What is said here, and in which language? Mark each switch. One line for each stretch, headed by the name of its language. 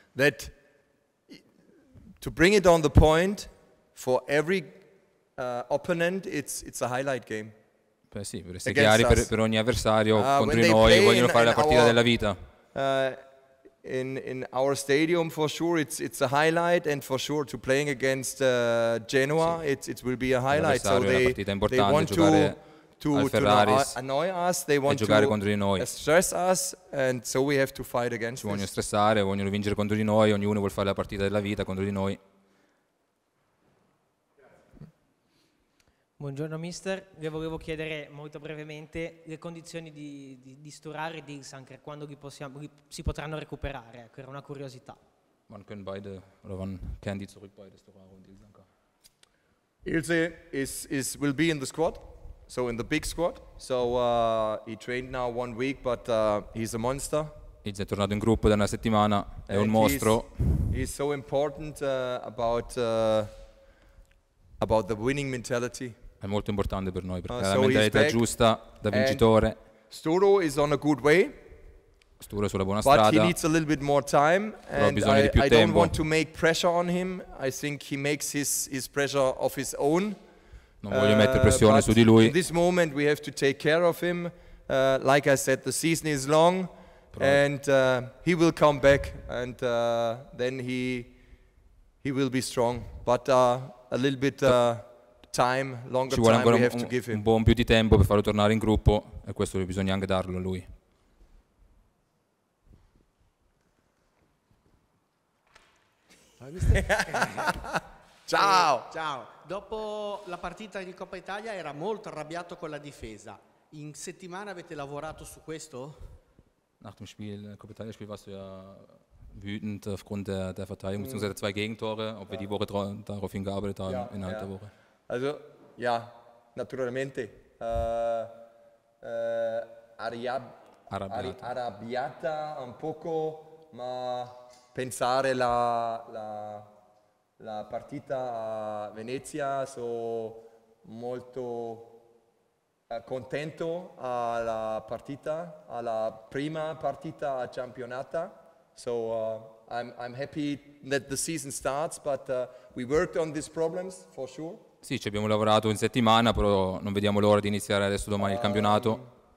English: That to bring it on the point for every opponent, it's a highlight game.
Italian: Beh sì, per essere chiari, per ogni avversario contro di noi vogliono fare la partita della vita.
English: In our stadium, for sure, it's a highlight, and for sure, to playing against Genoa, sì. it will be a highlight. So they want to annoy us. They want to stress us, and so we have to fight against.
Italian: Ci vogliono stressare, vogliono vincere contro di noi. Ognuno vuol fare la partita della vita contro di noi. Buongiorno mister, vi volevo chiedere molto brevemente le condizioni di Sturar e di Ilsanker, quando si potranno recuperare, ecco, era una curiosità.
German: Man können beide oder wann kehren die zurück, beide Sturar und Ilsanker?
English: Ilse is will be in the squad, so in the big squad. So he trained now 1 week, but he's a monster.
Italian: Ilse è tornato in gruppo da una settimana, è un mostro.
English: He's so important about the winning mentality.
Italian: È molto importante per noi perché ha la mentalità giusta da vincitore.
English: Sturo is on a good way.
Italian: Sturo è sulla buona strada.
English: But he needs a little bit more time.
Italian: Però ha bisogno di più tempo.
English: I don't want to make pressure on him. I think he makes his pressure of his own.
Italian: Non voglio mettere pressione su di lui.
English: In this moment we have to take care of him. Like I said, the season is long, and he will come back, and then he will be strong. But a little bit time, longer
Italian: ci vuole ancora
English: we have to give him.
Italian: Un buon più di tempo per farlo tornare in gruppo, e questo bisogna anche darlo a lui. Ciao! Ciao! Dopo la partita di Coppa Italia era molto arrabbiato con la difesa. In settimana avete lavorato su questo?
German: Nach dem Spiel, Coppa Italia Spiel, warst du ja wütend aufgrund der Verteidigung, beziehungsweise zwei Gegentore, ob wir die Woche darauf hingearbeitet haben, innerhalb der Woche. Also, ja, naturalmente.
Italian: Arrabbiata un poco, ma pensare la partita a Venezia, sono molto contento alla partita, alla prima partita a campionata.
English: So I'm happy that the season starts, but we worked on these problems for sure.
Italian: Sì, ci abbiamo lavorato in settimana, però non vediamo l'ora di iniziare adesso domani il campionato.